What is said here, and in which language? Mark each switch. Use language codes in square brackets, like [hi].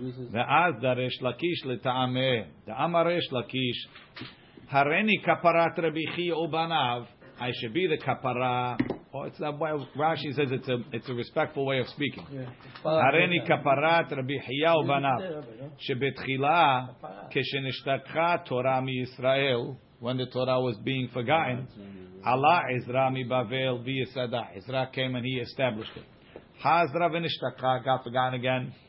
[he] ואז דרש לקיש לטעמה, דאמר רש לקיש, הרני כפרת רבי חייא ובניו, [en] I should be the kapara. Oh, it's that way. Rashi says it's a respectful way of speaking. [he] הרני כפרת רבי חייא ובניו, שבתחילה, כשנשתכחה תורה מישראל, [en] when the Torah was being forgotten, [he] עלה עזרא מבבל ויסדה. [en] עזרא came and he established it. [he] חזרה ונשתכחה, [en] got forgotten again.